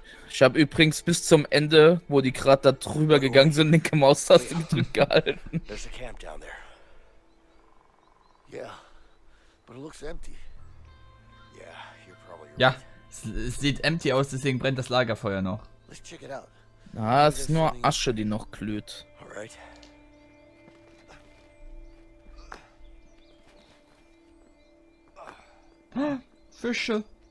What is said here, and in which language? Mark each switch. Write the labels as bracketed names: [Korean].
[German] Ich habe übrigens bis zum Ende, wo die gerade da drüber gegangen sind, linke Maustaste gedrückt gehalten. [English] There's a camp down there. Yeah, but it looks empty. Yeah, you're probably right. [German] Ja, es sieht empty aus, deswegen brennt das Lagerfeuer noch. [English] Let's check it out. [German] Na, es ist nur Asche, die noch glüht. [English] Alright. [German] Fische.